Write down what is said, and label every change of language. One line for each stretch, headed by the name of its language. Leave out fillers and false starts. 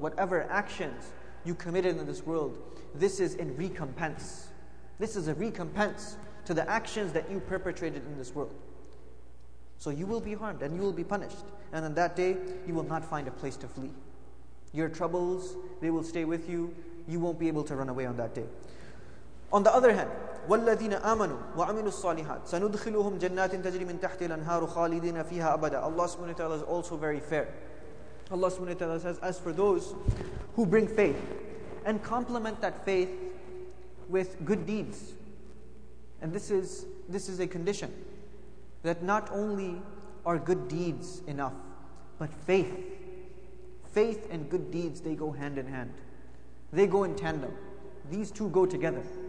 English: Whatever actions you committed in this world, this is in recompense. This is a recompense to the actions that you perpetrated in this world. So you will be harmed and you will be punished. And on that day, you will not find a place to flee. Your troubles, they will stay with you. You won't be able to run away on that day. On the other hand,
Arabic: وَالَّذِينَ آمَنُوا وَعَمِلُوا الصَّالِحَاتِ سَنُدْخِلُهُمْ جَنَّاتٍ تَجْرِي مِنْ تَحْتِ الْأَنْهَارُ خَالِدِينَ فِيهَا أَبَدًا.
English: Allah subhanahu wa ta'ala is also very fair. Allah subhanahu wa ta'ala says, as for those who bring faith and complement that faith with good deeds, and this is a condition, that not only are good deeds enough, but faith and good deeds, they go hand in hand, they go in tandem. These two go together.